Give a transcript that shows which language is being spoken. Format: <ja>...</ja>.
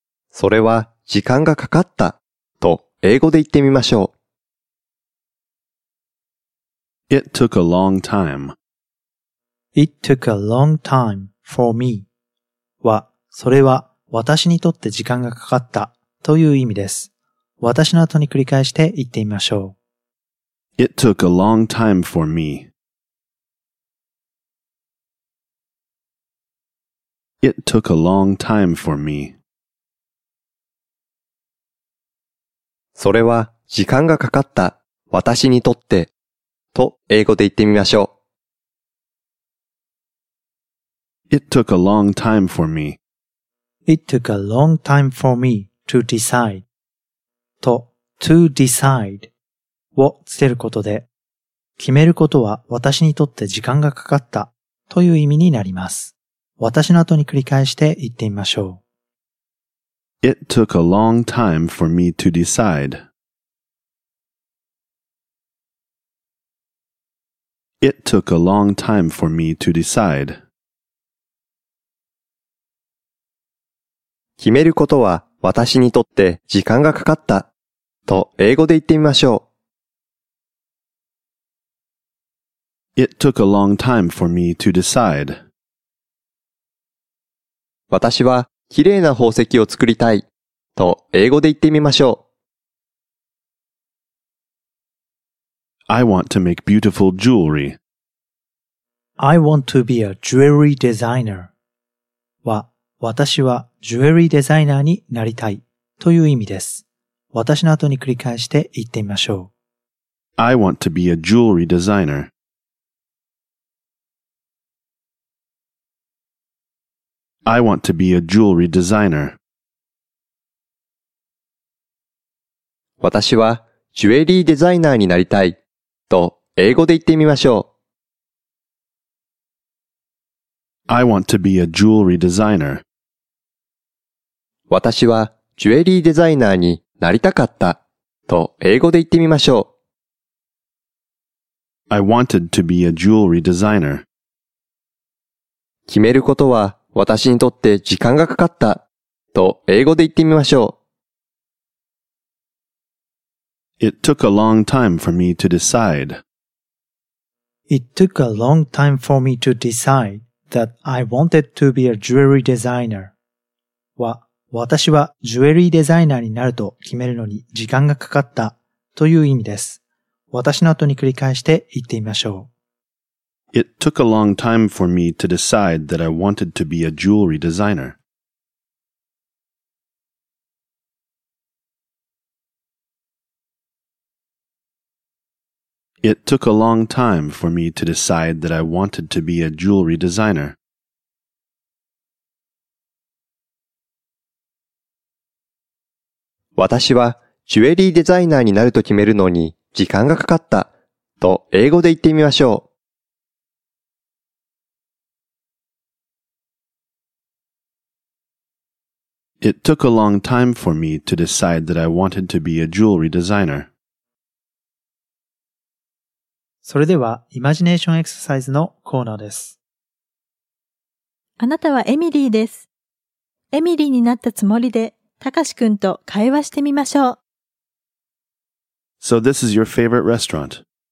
<ja>それは時間がかかったと英語で言ってみましょう。</ja> <en>It took a long time. It took a long time for me</en> <ja>は、それは私にとって時間がかかったという意味です。私の後に繰り返して言ってみましょう。</ja> <en>It took a long time for me. It took a long time for me.</en> <ja>それは時間がかかった私にとってと英語で言ってみましょう。</ja> <en>It took a long time for me. It took a long time for me to decide.</en> <ja>と</ja> <en>to decide</en> <ja>をつけることで決めることは私にとって時間がかかったという意味になります。私の後に繰り返して言ってみましょう。</ja> <en>It took a long time for me to decide. It took a long time for me to decide.</en> <ja>決めることは私にとって時間がかかったと英語で言ってみましょう。</ja> <en>It took a long time for me to decide.</en> <ja>私は綺麗な宝石を作りたいと英語で言ってみましょう。</ja> <en>I want to make beautiful jewelry. I want to be a jewelry designer.</en> <ja>は、私はジュエリーデザイナーになりたいという意味です。私の後に繰り返して言ってみましょう。</ja> <en>I want to be a jewelry designer. I want to be a jewelry designer.</en> <ja>私はジュエリーデザイナーになりたいと英語で言ってみましょう。</ja> <en>I want to be a jewelry designer.</en> <ja>私はジュエリーデザイナーになりたかったと英語で言ってみましょう。</ja> <en>I wanted to be a jewelry designer.</en> <ja>決めることは私にとって時間がかかったと英語で言ってみましょう。</ja> <en>It took a long time for me to decide. It took a long time for me to decide that I wanted to be a jewelry designer.</en> <ja>は、私はジュエリーデザイナーになると決めるのに時間がかかったという意味です。私の後に繰り返して言ってみましょう。</ja> <en>It took a long time for me to decide that I wanted to be a jewelry designer. It took a long time for me to decide that I wanted to be a jewelry designer.</en> <ja>私はジュエリーデザイナーになると決めるのに時間がかかったと英語で言ってみましょう。</ja> <en>It took a long time for me to decide that I wanted to be a jewelry designer.</en> <ja>それでは、イマジネーションエクササイズのコーナーです。あなたはエミリーです。エミリーになったつもりで、たかしくんと会話してみましょう。</ja> <en>So this is your favorite restaurant.</en>